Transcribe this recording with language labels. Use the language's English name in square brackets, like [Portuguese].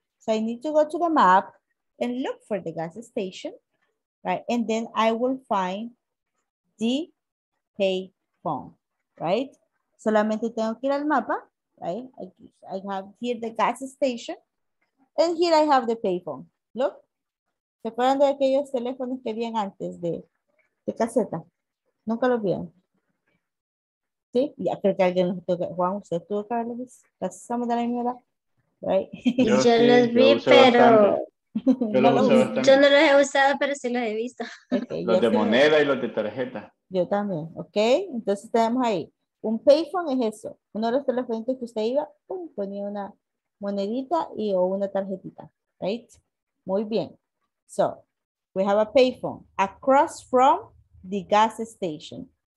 [English] So I need to go to the map and look for the gas station, right? And then I will find the payphone, right? [Spanish] Solamente tengo que ir al mapa [English] right? I have here the gas station, and here I have the payphone. [Spanish] Look, ¿se acuerdan de aquellos teléfonos que habían antes de caseta? Nunca los vieron. Sí, ya creo que alguien los tuvo. Juan, ¿usted tuvo que verlos? ¿Estamos de la misma edad? Right. Yo sí, los vi, pero yo no los he usado, pero sí los he visto. Okay, los de moneda y los de tarjeta. Yo también, ok. Entonces tenemos ahí. Un payphone es eso. Uno de los teléfonos que usted iba, pum, ponía una monedita y o una tarjetita. Right? Muy bien. [English] So, we have a payphone across from the gas station.